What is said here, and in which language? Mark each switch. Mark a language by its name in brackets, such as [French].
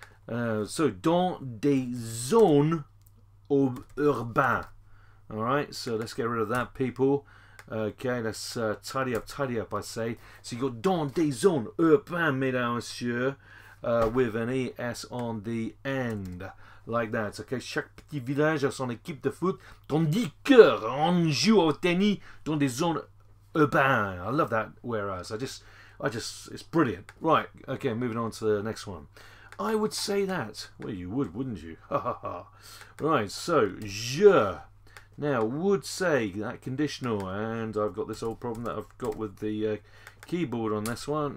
[French] So, dans des zones urbaines. [English] All right, so let's get rid of that, people. Okay, let's tidy up, I say. So you got [French] dans des zones urbaines, mesdames, messieurs. [English] With an ES on the end, like that. [French] Okay, chaque petit village a son équipe de foot, tandis que on joue au tennis dans des zones urbaines. [English] I love that, whereas. I just, it's brilliant. Right, okay, moving on to the next one. I would say that. Well, you would, wouldn't you? Ha ha ha. Right, so, je. Now, would say that conditional, and I've got this old problem that I've got with the keyboard on this one.